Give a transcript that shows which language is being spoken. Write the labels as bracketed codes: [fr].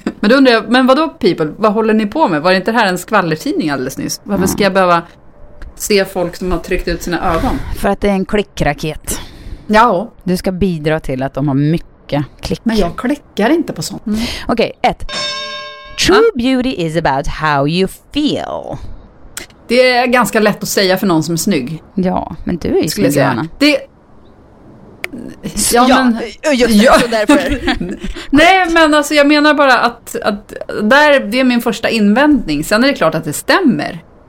[sv] Men då undrar jag, men vadå People? Vad håller ni på med? Var det inte här en skvallertidning alldeles nyss? Varför ska jag behöva se folk som har tryckt ut sina ögon? För att det är en klickraket. Ja. Du ska bidra till att de har mycket klick. Men jag klickar inte på sånt. Okej, ett. [en] True beauty is about how you feel. [sv] Det är ganska lätt att säga för någon som är snygg. Ja, men du är ju snygg, Anna. Det... Ja, därför. Nej, men alltså jag menar bara att där, det är min första invändning. Sen är det klart att det stämmer.